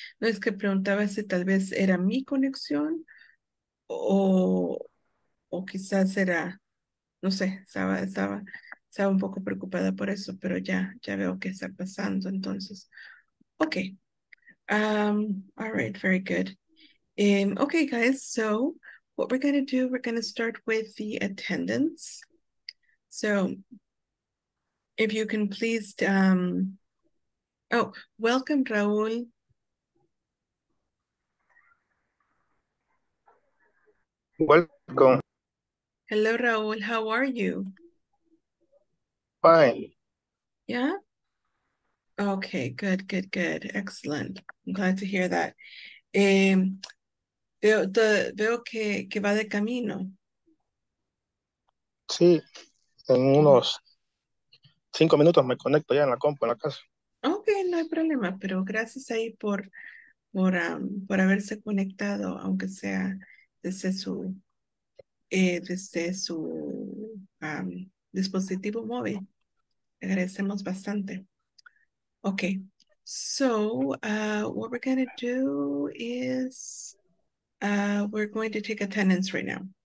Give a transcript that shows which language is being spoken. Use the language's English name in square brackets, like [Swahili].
[Spanish] No es que preguntaba si tal vez era mi conexión o quizás era, no sé, estaba un poco preocupada por eso, pero ya veo qué está pasando, entonces. [English] Okay. All right, very good. Okay, guys, so what we're going to do, we're going to start with the attendance. So if you can please, oh, welcome, Raul. Welcome. Hello, Raul, how are you? Fine. Yeah? Okay, good. Excellent. I'm glad to hear that. [Spanish] Veo que va de camino. Sí, en unos 5 minutos me conecto ya en la compu, en la casa. Ok, no hay problema, pero gracias ahí por haberse conectado, aunque sea desde su dispositivo móvil. Agradecemos bastante. [English] Ok, so what we're going to do is we're going to take attendance right now.